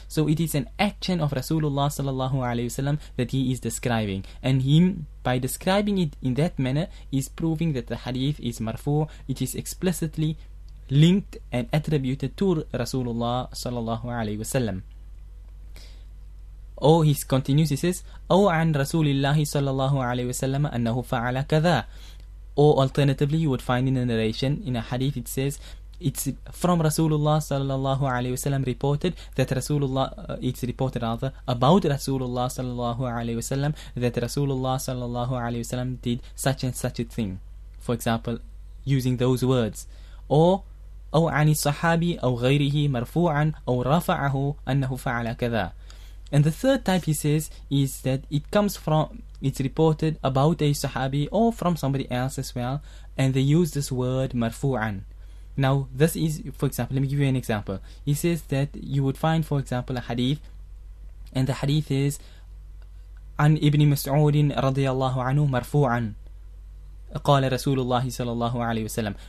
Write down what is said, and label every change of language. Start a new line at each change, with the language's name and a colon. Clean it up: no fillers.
English: So it is an action of Rasulullah sallallahu alaihi wasallam that he is describing, and him, by describing it in that manner, is proving that the hadith is marfu', it is explicitly linked and attributed to Rasulullah sallallahu alaihi wasallam. Oh, he continues, he says,
Arabic: أو عن رسول الله صلى الله عليه وسلم أنه فعل كذا.
English: Or alternatively, you would find in a narration, in a hadith, it says, it's from Rasulullah sallallahu alayhi wasallam reported that about Rasulullah sallallahu alayhi wasallam that Rasulullah sallallahu alayhi wasallam did such and such a thing. For example, using those words.
Arabic: أو عن الصحابي أو غيره مرفوعا أو رفعه أنه فعل كذا.
English: And the third type he says is that it comes from, it's reported about a sahabi or from somebody else as well, and they use this word marfu'an. Now this is, for example, let me give you an example. He says that you would find, for example, a hadith, and the hadith is an Ibn Mas'ud radiyallahu anhu marfu'an qala Rasulullah sallallahu alayhi wasallam.